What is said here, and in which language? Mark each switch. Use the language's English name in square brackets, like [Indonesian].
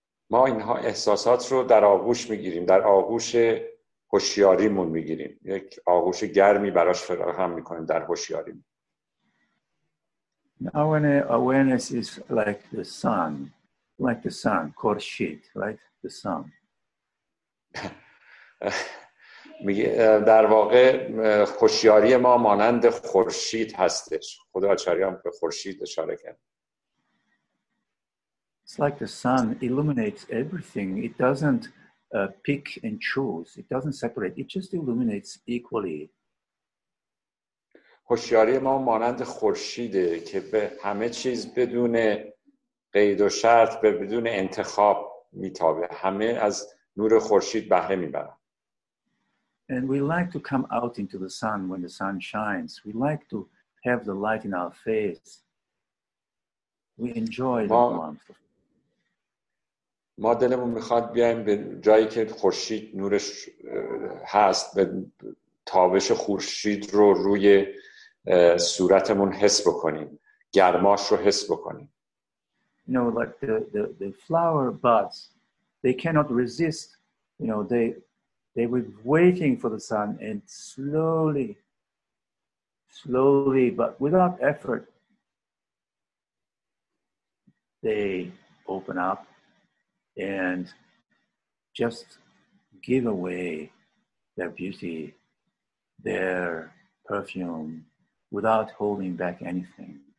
[Persian] ما اینها احساسات رو در آغوش میگیریم، در آغوش هوشیاریمون میگیریم، یک آغوش گرمی براش فراهم میکنیم در هوشیاری. [English] Now an awareness is like the sun, Khurshid, right? The sun. [Persian] در واقع هوشیاری ما مانند خورشید هستش. خدا آچاریا هم به خورشید اشاره کرد. [English] It's like the sun illuminates everything. It doesn't pick and choose. It doesn't separate. It just illuminates equally. [Persian] هوشیاری ما مانند خورشیده که به همه چیز بدون قید و شرط، به بدون انتخاب میتابه. همه از نور خورشید بهره میبرن. [English] And we like to come out into the sun when the sun shines. We like to have the light in our face. We enjoy the warmth. [Persian] ما دلمون میخواد بیایم به جایی که خورشید نورش هست، به تابش خورشید رو روی صورتمون حس بکنیم، گرماش رو حس بکنیم. [English] You know, like the flower buds, they cannot resist. You know, they were waiting for the sun, and slowly, but without effort, they open up and just give away their beauty, their perfume, without holding back anything.